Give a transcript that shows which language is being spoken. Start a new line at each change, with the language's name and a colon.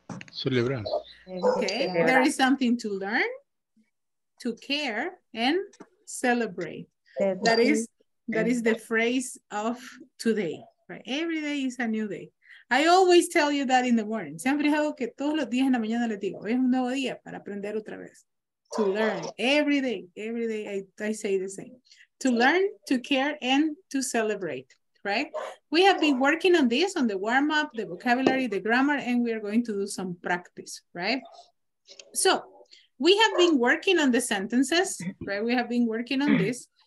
Spanish: Celebrar. Okay. Celebrar.
English: There is something to learn, to care, and celebrate. That is the phrase of today, right? Every day is a new day. I always tell you that in the morning.
Spanish: Siempre hago que todos los días en la mañana les digo, es un nuevo día para aprender otra vez.
English: To learn, every day I say the same. To learn, to care, and to celebrate, right? We have been working on this, on the warm-up, the vocabulary, the grammar, and we are going to do some practice, right? So we have been working on the sentences, right? We have been working on this.